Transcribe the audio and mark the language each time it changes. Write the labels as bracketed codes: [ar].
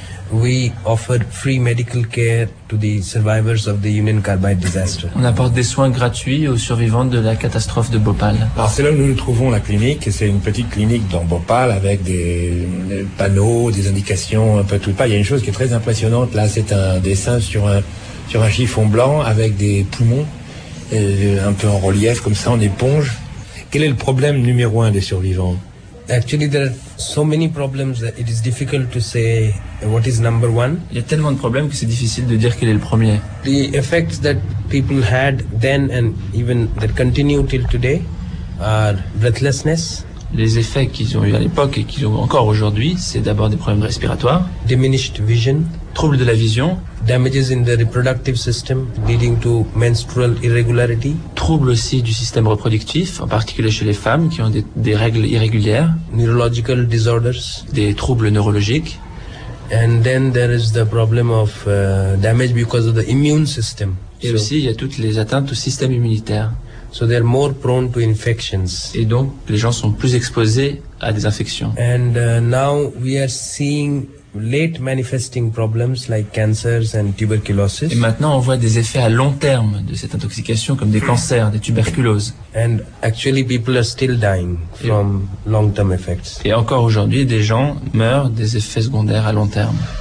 [en] We offered free medical care to the survivors of the Union Carbide disaster. [fr] On apporte des soins gratuits aux survivants de la catastrophe de Bhopal. Alors c'est là où nous trouvons la clinique. C'est une petite clinique dans Bhopal avec des panneaux, des indications, un peu tout. Il y a une chose qui est très impressionnante. Là, c'est un dessin sur un chiffon blanc avec des poumons un peu en relief, comme ça, en éponge. Quel est le problème numéro un des survivants? [en] Actually, there are so many problems that it is difficult to say what is number one. [fr] Il y a tellement de problèmes que c'est difficile de dire quel est le premier. [en] The effects that people had then and even that continue till today are breathlessness. [fr] Les effets qu'ils ont eu à l'époque et qu'ils ont encore aujourd'hui, c'est d'abord des problèmes respiratoires. [en] Diminished vision. [fr] Troubles de la vision. [en] Damages in the reproductive system leading to menstrual irregularity. [fr] Troubles aussi du système reproductif, en particulier chez les femmes qui ont des règles irrégulières. [en] Neurological disorders. [fr] Des troubles neurologiques. [en] And then there is the problem of damage because of the immune system. [fr] Et aussi, il y a toutes les atteintes au système immunitaire. [en] So they're more prone to infections. [fr] Et donc, les gens sont plus exposés à des infections. [en] And now we are seeing late manifesting problems like cancers and tuberculosis. [fr] Et maintenant, on voit des effets à long terme de cette intoxication, comme des cancers, des tuberculoses. [en] And actually, people are still dying from long-term effects. [fr] Et encore aujourd'hui, des gens meurent des effets secondaires à long terme.